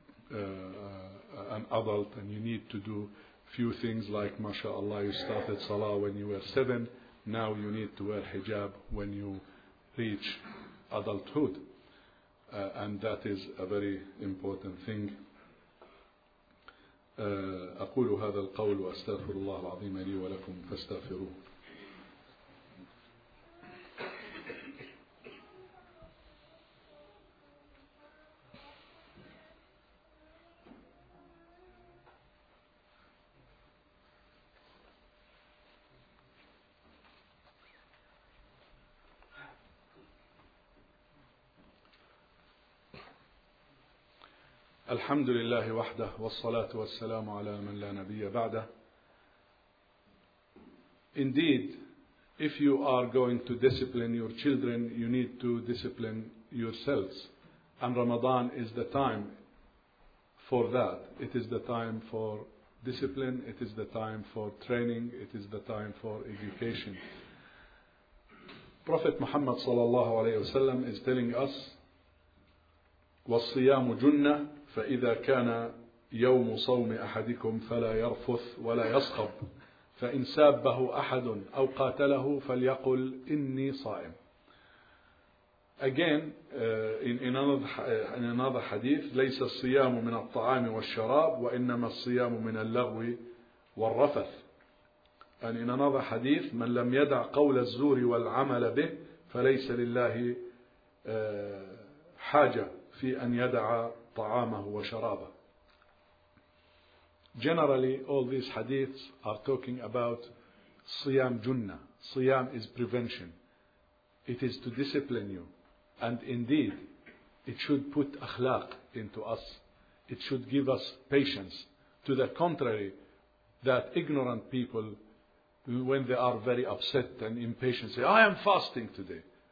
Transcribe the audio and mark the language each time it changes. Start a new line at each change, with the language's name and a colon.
English: an adult and you need to do few things like, mashallah, you started salah when you were 7, now you need to wear hijab when you reach adulthood. And that is a very important thing.
Arabic: أقول هذا القول وأستغفر الله العظيم لي ولكم فاستغفروه. الحمد لله وحده والصلاة والسلام على من لا نبي بعده.
English: Indeed, if you are going to discipline your children, you need to discipline yourselves. And Ramadan is the time for that. It is the time for discipline. It is the time for training. It is the time for education. Prophet Muhammad
Arabic: صلى الله عليه وسلم
English: is telling us,
Arabic: والصيام جنة فإذا كان يوم صوم أحدكم فلا يرفث ولا يصخب فإن سابه أحد أو قاتله فليقل إني صائم.
English: Again, in another hadith,
Arabic: ليس الصيام من الطعام والشراب وإنما الصيام من اللغو والرفث. يعني إن نضع حديث من لم يدع قول الزور والعمل به فليس لله حاجة في أن يدع طعامه وشرابه.
English: Generally, all these hadiths are talking about
Arabic: صيام جنة.
English: صيام is prevention. It is to discipline you. And indeed, it should put أخلاق into us. It should give us patience. To the contrary, that ignorant people, when they are very upset and impatient, say, I am fasting today.